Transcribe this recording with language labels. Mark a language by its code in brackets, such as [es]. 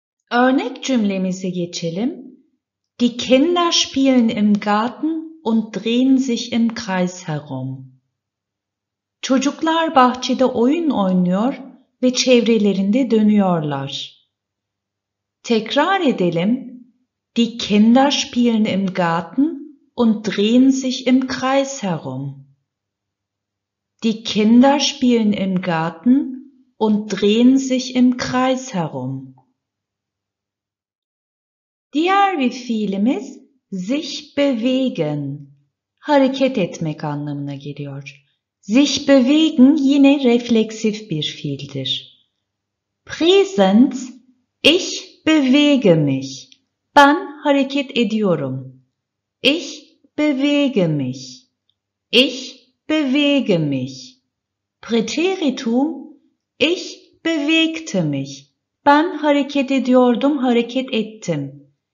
[tr] Örnek cümlemize geçelim. [de] Die Kinder spielen im Garten und drehen sich im Kreis herum. [tr] Çocuklar bahçede oyun oynuyor ve çevrelerinde dönüyorlar. Tekrar edelim. [de] Die Kinder spielen im Garten und drehen sich im Kreis herum. Die Kinder spielen im Garten und drehen sich im Kreis herum. [tr] Diğer bir fiilimiz sich bewegen. Hareket etmek anlamına geliyor. Sich bewegen yine refleksif bir fiildir. [de] Präsens, ich bewege mich. [tr] Ben hareket ediyorum. [de] Ich bewege mich. Ich bewege mich. Präteritum, Ich bewegte mich. [tr] Ben hareket ediyordum, hareket ettim.